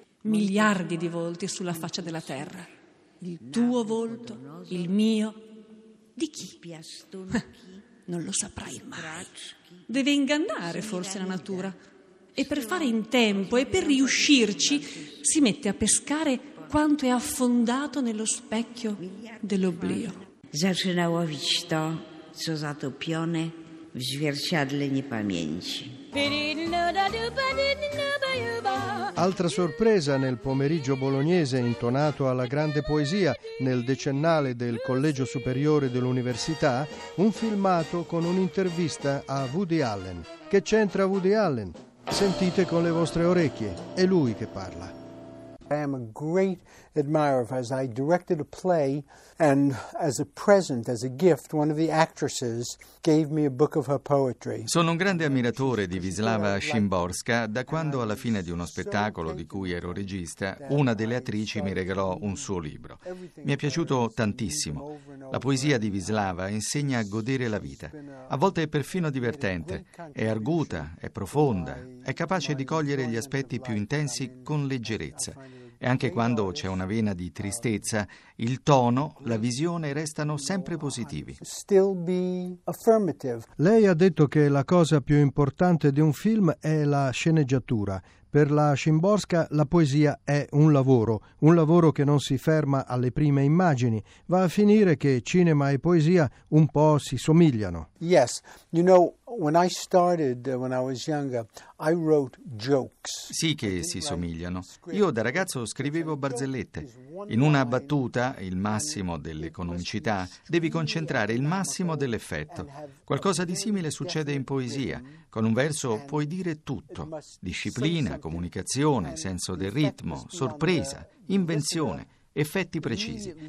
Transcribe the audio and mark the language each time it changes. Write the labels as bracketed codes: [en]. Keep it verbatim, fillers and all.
[it] Miliardi di volti sulla faccia della terra. Il tuo volto, il mio, di chi? Non lo saprai mai. Deve ingannare forse la natura. E per fare in tempo e per riuscirci si mette a pescare quanto è affondato nello specchio dell'oblio. [pl] Zaczyna łowić to, co zatopione w zwierciadle niepamięci. [it] Altra sorpresa nel pomeriggio bolognese intonato alla grande poesia nel decennale del Collegio Superiore dell'Università, un filmato con un'intervista a Woody Allen. Che c'entra Woody Allen? Sentite con le vostre orecchie, è lui che parla. [en] I am a great admirer of hers. I directed a play, and as a present, as a gift, one of the actresses gave me a book of her poetry. [it] Sono un grande ammiratore di Wisława Szymborska da quando, alla fine di uno spettacolo di cui ero regista, una delle attrici mi regalò un suo libro. Mi è piaciuto tantissimo. La poesia di Wisława insegna a godere la vita. A volte è perfino divertente, è arguta, è profonda, è capace di cogliere gli aspetti più intensi con leggerezza. E anche quando c'è una vena di tristezza, il tono, la visione restano sempre positivi. Lei ha detto che la cosa più importante di un film è la sceneggiatura, Per la Szymborska la poesia è un lavoro, un lavoro che non si ferma alle prime immagini. Va a finire che cinema e poesia un po' si somigliano. [en] Yes, you know, when I started, when I was younger, I wrote jokes. [it] Sì che si somigliano. Io da ragazzo scrivevo barzellette. In una battuta, il massimo dell'economicità, devi concentrare il massimo dell'effetto. Qualcosa di simile succede in poesia. Con un verso puoi dire tutto. Disciplina, comunicazione, senso del ritmo, sorpresa, invenzione, effetti precisi.